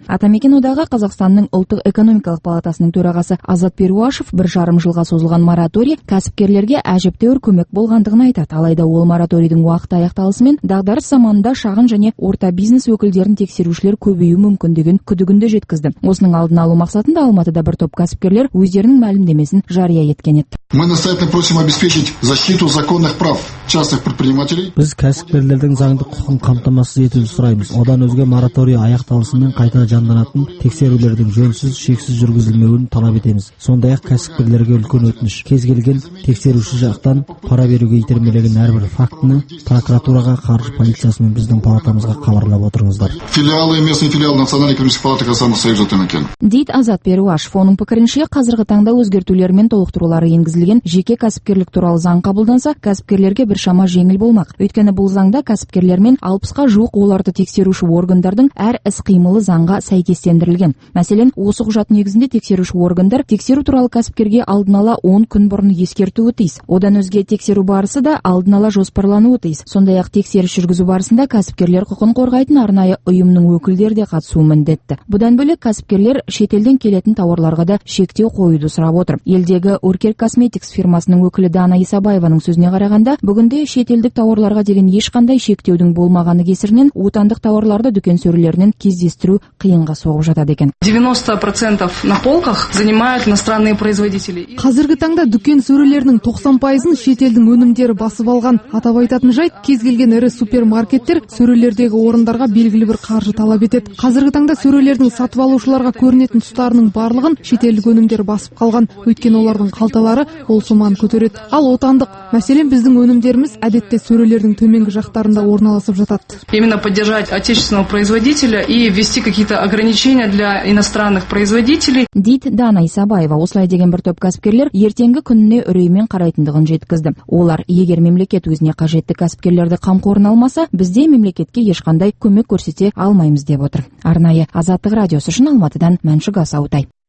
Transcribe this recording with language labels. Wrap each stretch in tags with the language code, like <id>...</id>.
<kk>Атамекен одағы Қазақстанның ұлттық экономикалық палатасының төрағасы Азат Перуашев бір жарым жылға созылған мораторий кәсіпкерлерге әжептәуір көмек болғандығын айтады. Алайда ол мораторийдің уақыты аяқталысымен дағдарыс заманында шағын және орта бизнес өкілдерін тексерушілер көбеюі мүмкін деген күдігінді жеткізді. Осының алдын алу мақсатында Алматыда бір топ кәсіпкерлер өздерінің мәлімдемесін жария еткен еді.</kk> <ru>Мы настоятельно просим обеспечить защиту законных прав частных предпринимателей.</ru> <kk>Біз кәсіпкерлердің заңды құқығын қамтамасыз етуді сұраймыз. Одан өзге мораторий аяқталысымен қайта жанданатын тексерулердің жөнсіз, шексіз жүргізілмеуін талап етеміз. Сондай-ақ кәсіпкерлерге үлкен өтініш. Кез келген тексеруші жақтан пара беруге итермелеген әрбір фактіні прокуратураға, қаржы полициясы мен біздің палатамызға хабарлап отырыңыздар.</kk> <ru>Филиалы местной филиалы Национальной экономической палаты Казахстана Союза Атамекен.</ru> <kk>Дейт Азат Перуаш. Оның пікірінше, қазіргі таңда өзгертулер мен толықтырулары енгізілген жеке кәсіпкерлік туралы заң қабылданса, кәсіпкерлерге біршама жеңіл болмақ. Өйткені бұл заңда кәсіпкерлер мен 60-қа жуық оларды тексеруші органдардың әр іс-қимылы заңға сәйкестендірілген. Мәселен, осы құжат негізінде тексеруші органдар тексеру туралы кәсіпкерге алдын ала 10 күн бұрын ескертуі тиіс. Одан өзге тексеру барысы да алдын ала жоспарлануы тиіс. Сондай-ақ тексеріс жүргізу барысында кәсіпкерлер құқығын қорғайтын арнайы ұйымның өкілдері де қатысуы міндетті. Бұдан бөлек кәсіпкерлер шетелден келетін тауарларға да шектеу қоюды сұрап отыр. Елдегі Өркер Косметикс фирмасының өкілі Дана Исабаеваның сөзіне қарағанда, бүгінде шетелдік тауарларға деген ешқандай шектеудің болмағаны кесірінен отандық тауарларды дүкен сөрелерінен кездестіру қиынға соғып жатады екен.</kk> <ru>90% на полках занимают иностранные производители.</ru> <kk>Қазіргі таңда дүкен сөрелерінің 90%-ын шетелдің өнімдері басып алған. Атап айтатын жайт, кез келген ірі супермаркеттер сөрелердегі орындарға белгілі бір қаржы талап етеді. Қазіргі таңда сөрелердің сатып алушыларға көрінетін тұстарының барлығын шетелдік өнімдер басып қалған. Өйткені олардың қалталары ол соманы көтереді. Ал отандық, мәселен, біздің өнімдеріміз әдетте сөрелердің төменгі жақтарында орналасып жатады.</kk> <ru>Именно поддержать отечественного производителя и ввести какие-то ограничения для иностранных производителей.</ru> <kk>Дейт Дана Исабаева, осылай деген бір топ кәсіпкерлер ертеңгі күніне үреймен қарайтындығын жеткізді. Олар, егер мемлекет өзіне қажетті кәсіпкерлерді қамқорын алмаса, бізде мемлекетке ешқандай көмек көрсете алмаймыз деп отыр. Арнайы Азаттық радиосы үшін Алматыдан Мәншүк Асаутай.</kk>